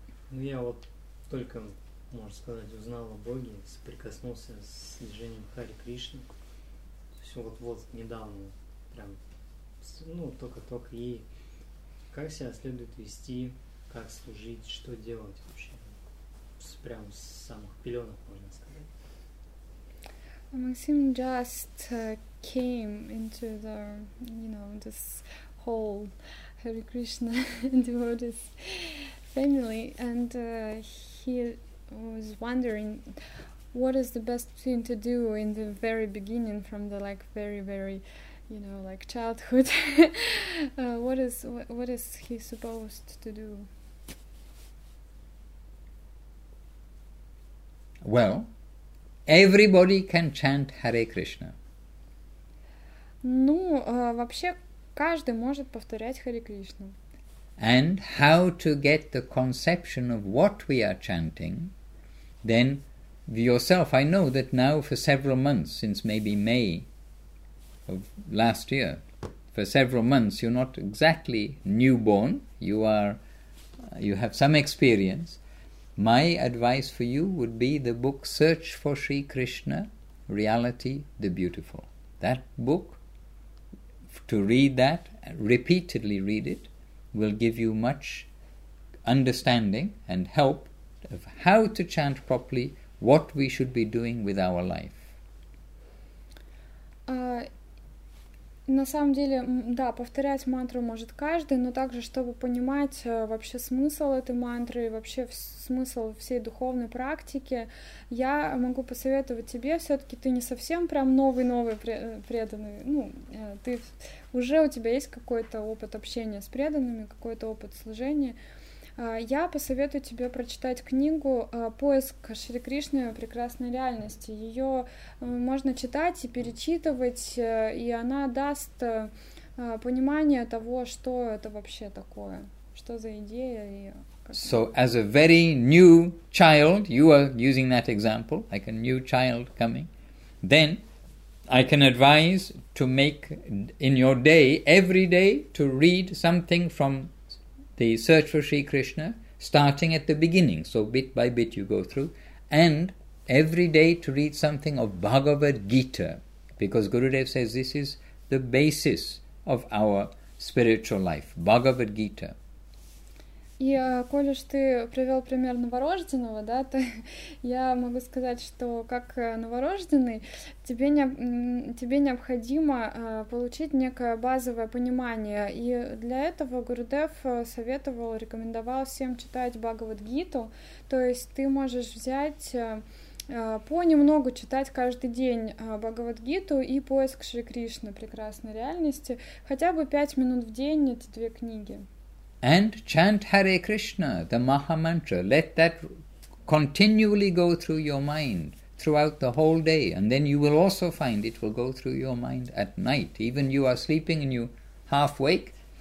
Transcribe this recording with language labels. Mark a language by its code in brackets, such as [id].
[ru] Ну, я вот только, можно сказать, узнал о Боге, соприкоснулся с движением Хари Кришны. То есть вот-вот, недавно, прям, ну, только-только. И как себя следует вести, как служить, что делать вообще? Прям с самых пеленок, можно сказать. [en] Максим just came into the, you know, this whole Hare Krishna devotees family, and he was wondering what is the best thing to do in the very beginning, from the like very very, you know, like childhood. what is he supposed to do? Well, everybody can chant Hare Krishna. [ru] Ну, вообще каждый может повторять Хари Кришну. [en] And how to get the conception of what we are chanting, then yourself. I know that now for several months, since maybe May of last year, for several months you're not exactly newborn. You have some experience. My advice for you would be the book Search for Sri Krishna, Reality the Beautiful. That book, to read that, repeatedly read it, will give you much understanding and help of how to chant properly, what we should be doing with our life. [ru] На самом деле, да, повторять мантру может каждый, но также, чтобы понимать вообще смысл этой мантры и вообще смысл всей духовной практики, я могу посоветовать тебе, все-таки ты не совсем прям новый-новый преданный, ну, ты уже, у тебя есть какой-то опыт общения с преданными, какой-то опыт служения. Я посоветую тебе прочитать книгу «Поиск Шри Кришны в прекрасной реальности». Ее можно читать и перечитывать, и она даст понимание того, что это вообще такое, что за идея. [en] So, as a very new child, you are using that example, like a new child coming, then I can advise to make in your day, every day, to read something from The Search for Sri Krishna, starting at the beginning, so bit by bit you go through, and every day to read something of Bhagavad Gita, because Gurudev says this is the basis of our spiritual life, Bhagavad Gita. [ru] И коль уж ты привел пример новорожденного, да, то я могу сказать, что как новорожденный, тебе необходимо получить некое базовое понимание. И для этого Гурудев советовал, рекомендовал всем читать Бхагавад-гиту. То есть ты можешь взять понемногу читать каждый день Бхагавад-гиту и поиск Шри Кришны, прекрасной реальности, хотя бы 5 минут в день эти две книги. [en] And chant Hare Krishna, the Maha Mantra. Let that continually go through your mind throughout the whole day. And then you will also find it will go through your mind at night. Even you are sleeping and you half wake.